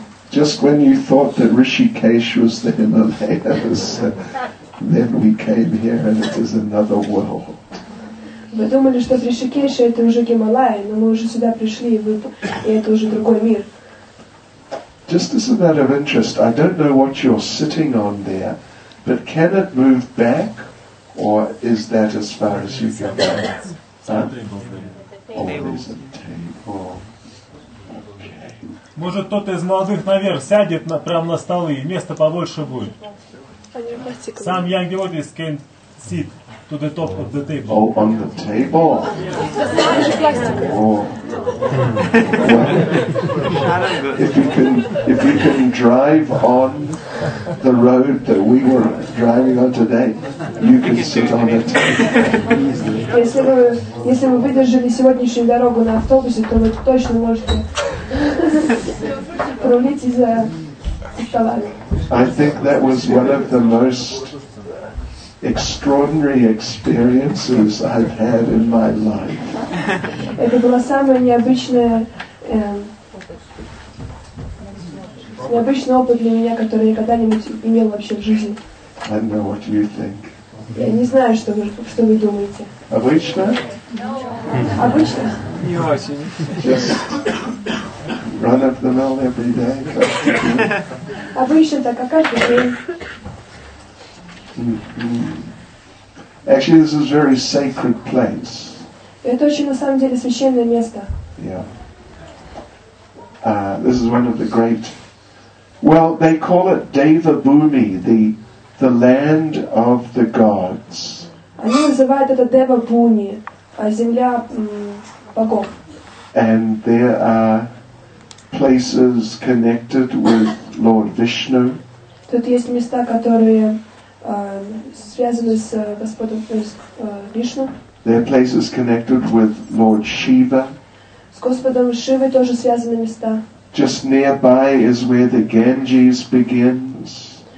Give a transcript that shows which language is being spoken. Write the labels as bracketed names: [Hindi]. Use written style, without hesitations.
[English] Just when you thought that Rishikesh was the Himalayas, then we came here and it is another world. [Ukrainian] Ви думали, що Рішикеш – це вже Гімалаї, але ми вже сюди прийшли, і це вже другий мир. [English] Just as a matter of interest, I don't know what you're sitting on there, but can it move back, or is that as far as you can go? Huh? Always a table. [Russian] Може, хтось із молодих наверх сяде прямо на столи, і місце побільше буде. [English] Сам Ян Георгіс can sit. To the top of the table. Oh, on the table? If you can drive on the road that we were driving on today, you can sit on the table. [Russian] Если вы выдержали сегодняшнюю дорогу на автобусе, то вы точно можете пролить из-за стола. [English] I think that was one of the most extraordinary experiences I've had in my life. [Russian] Это была самая необычная необычный опыт для меня, который я когда-нибудь имел вообще в жизни. [English] I don't know what you think. [Russian] Я не знаю, что вы думаете. Обычно? Обычно? Не очень. [English] Just run up the mill every day. [Russian] Обычно так, а каждый день. [English] Actually, this is a very sacred place. [Russian] Это очень, на самом деле, священное место. [English] Yeah. This is one of the great. Well, they call it Devabhumi, the land of the gods. [Russian] Они называют это Девабхуми, земля богов. [English] And there are places connected with Lord Vishnu. [Russian] Тут есть места, которые связаны с Господом Вишну. [English] There are places connected with Lord Shiva. [Russian] С Господом Шивой тоже связаны места. [English] Just nearby is where the Ganges begins.